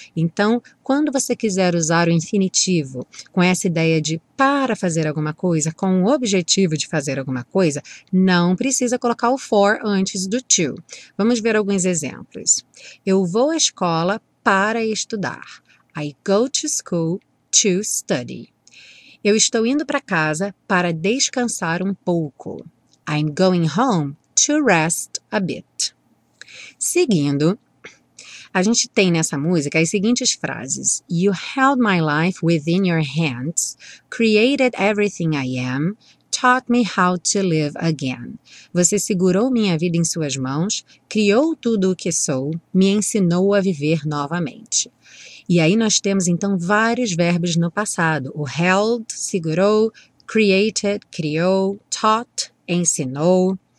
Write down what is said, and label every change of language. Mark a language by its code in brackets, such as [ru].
[pt] Então, quando você quiser usar o infinitivo com essa ideia de para fazer alguma coisa, com o objetivo de fazer alguma coisa, não precisa colocar o for antes do to. Vamos ver alguns exemplos. Eu vou à escola para estudar. [en] I go to school to study. [pt] Eu estou indo para casa para descansar um pouco. [en] I'm going home to rest a bit. [pt] Seguindo, a gente tem nessa música as seguintes frases. [en] You held my life within your hands, created everything I am, taught me how to live again. [pt] Você segurou minha vida em suas mãos, criou tudo o que sou, me ensinou a viver novamente. E aí nós temos então vários verbos no passado. O held, segurou, created, criou, taught, ensinou.